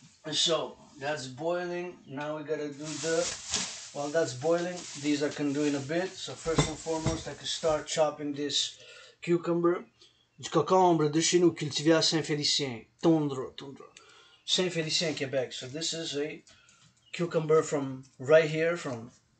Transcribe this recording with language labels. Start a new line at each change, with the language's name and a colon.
English: So that's boiling. Now we gotta do the, while that's boiling, these I can do in a bit. So first and foremost, I can start chopping this cucumber.
French: Du cocombre de chez nous, cultivé à Saint-Félicien. Tondre. Saint-Félicien, Québec.
English: So this is a cucumber from right here, from...